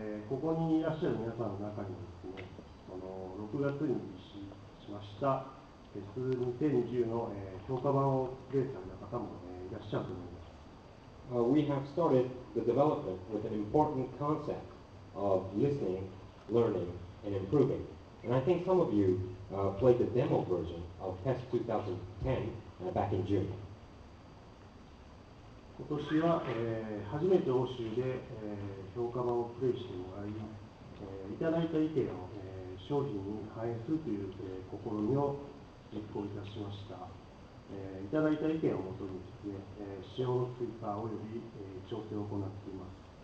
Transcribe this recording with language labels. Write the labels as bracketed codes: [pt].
[ja] ここにいらっしゃる皆さんの中にですね、その6月に実施しました PES 2010 の評価版をプレイされた方も、いらっしゃると思います。 [en] We have started the development with an important concept of listening, learning, and improving. And I think some of you played the demo version of PES 2010 back in June. [ja] 今年は、初めて欧州で、評価版をプレイしてもらい、いただいた意見を、商品に反映するという、試みを実行いたしました。いただいた意見をもとにですね、仕様の追加および、調整を行っています。